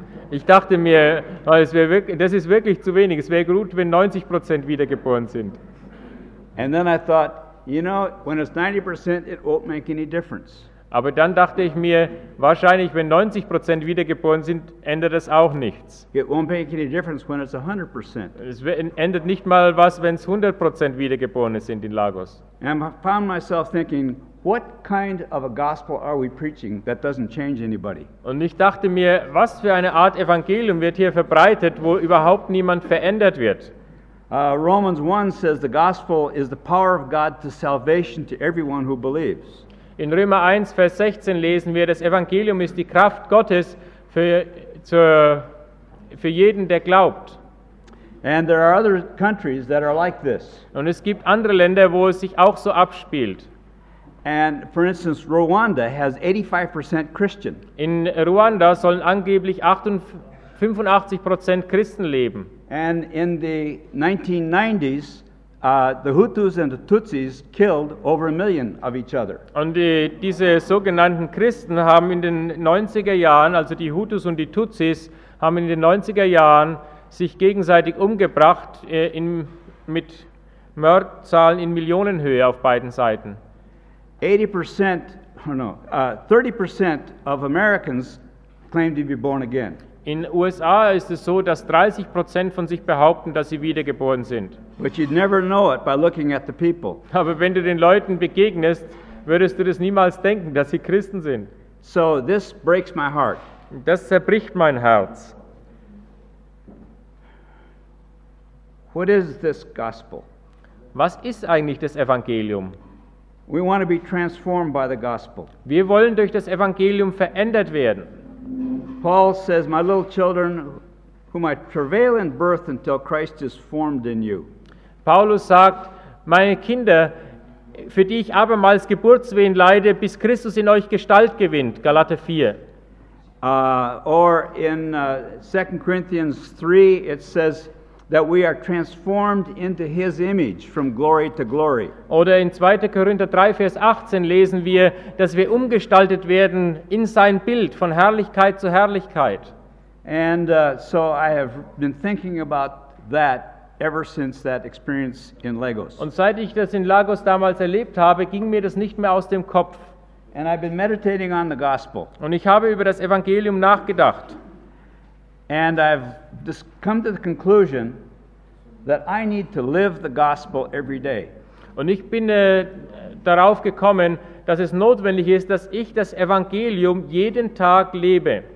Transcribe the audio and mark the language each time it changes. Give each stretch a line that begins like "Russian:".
German: Ich dachte mir, das ist wirklich zu wenig. Es wäre gut, wenn 90% wiedergeboren sind.
English: And then I thought, you know, when it's 90%, it won't make any difference.
German: Aber dann dachte ich mir, wahrscheinlich, wenn 90% wiedergeboren sind, ändert das auch nichts.
English: It won't make any difference when it's 100%.
German: Es ändert nicht mal was, wenn es 100% wiedergeboren sind in Lagos.
English: And I found myself thinking, what kind of a gospel are we preaching that doesn't change anybody?
German: Und ich dachte mir, was für eine Art Evangelium wird hier verbreitet, wo überhaupt niemand verändert wird?
English: Romans 1 says the gospel is the power of God to salvation to everyone who believes.
German: In Römer 1, Vers 16 lesen wir, das Evangelium ist die Kraft Gottes für jeden, der glaubt.
English: And there are other countries that are like this.
German: Und es gibt andere Länder, wo es sich auch so abspielt.
English: And for instance, Rwanda has 85% Christian.
German: In Ruanda sollen angeblich 85% Christen leben.
English: And in the 1990s, the Hutus and the Tutsis killed over a million of each other.
German: Und diese sogenannten Christen haben in den 90er Jahren, also die Hutus und die Tutsis, haben in den 90er Jahren sich gegenseitig umgebracht mit Mordzahlen in Millionenhöhe auf beiden Seiten.
English: 30% of Americans claim to be born again.
German: In USA ist es so, dass 30% von sich behaupten, dass sie wiedergeboren sind.
English: But you'd never know it by looking at the people.
German: Aber wenn du den Leuten begegnest, würdest du das niemals denken, dass sie Christen sind.
English: So this breaks my heart.
German: Das zerbricht mein Herz.
English: What is this gospel?
German: Was ist eigentlich das Evangelium?
English: We want to be transformed by the gospel.
German: Wir wollen durch das Evangelium verändert werden.
English: Paul says, my little children, whom I travail in birth until Christ is formed in you.
German: Paulus sagt, meine Kinder, für die ich abermals Geburtswehen leide, bis Christus in euch Gestalt gewinnt, Galater 4.
English: Or in 2 Corinthians 3, it says that we are transformed into his image from glory to glory.
German: Oder in 2. Korinther 3, Vers 18 lesen wir, dass wir umgestaltet werden in sein Bild von Herrlichkeit zu Herrlichkeit.
English: And so I have been thinking about that ever since that experience in Lagos.
German: Und seit ich das in Lagos damals erlebt habe, ging mir das nicht mehr aus dem Kopf.
English: And I've been meditating on the gospel.
German: Und ich habe über das Evangelium nachgedacht.
English: And I've just come to the conclusion that I need to live the gospel every day.
German: Und ich bin darauf gekommen, dass es notwendig ist, dass ich das Evangelium jeden Tag lebe.